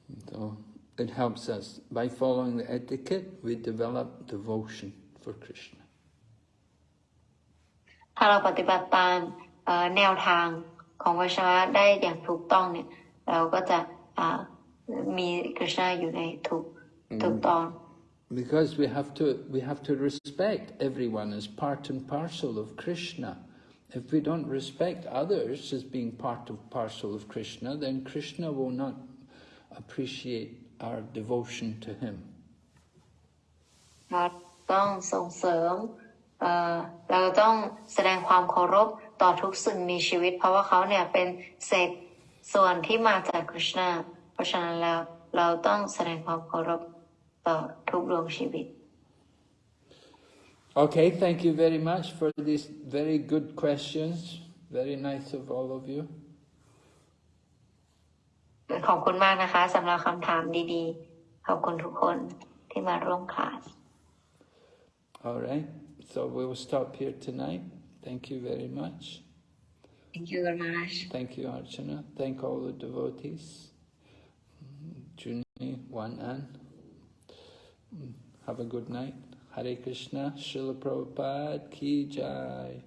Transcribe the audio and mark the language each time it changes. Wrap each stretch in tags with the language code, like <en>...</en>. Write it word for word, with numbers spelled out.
<en>So it helps us by following the etiquette we develop devotion for Krishna</en> <th>ถ้าเราปฏิบัติตามแนวทางของไวชนาวะได้อย่างถูกต้องเนี่ยเราก็จะมีคริชนาอยู่ในทุกทุกตอน</th> <en>because we have to we have to respect everyone as part and parcel of Krishna if we don't respect others as being part of parcel of Krishna then Krishna will not appreciate our devotion to him</en> <th>เราต้องส่งเสริมเอ่อเราต้องแสดงความเคารพต่อทุกสิ่งมีชีวิตเพราะว่าเขาเนี่ยเป็นเศษส่วนที่มาจากคริชนาเพราะฉะนั้นแล้วเราต้องแสดงความเคารพต่อทุกดวงชีวิต</th> <en>Okay, thank you very much for these very good questions. Very nice of all of you.</en> <th>ขอบคุณมากนะคะสำหรับคำถามดีๆขอบคุณทุกคนที่มาร่วมคลาส</th> <en>All right, so we will stop here tonight. Thank you very much. Thank you very much. Thank you, Archana. Thank all the devotees. Juni, Wanan. Have a good night. Hare Krishna. Srila Prabhupada Ki Jai.</en>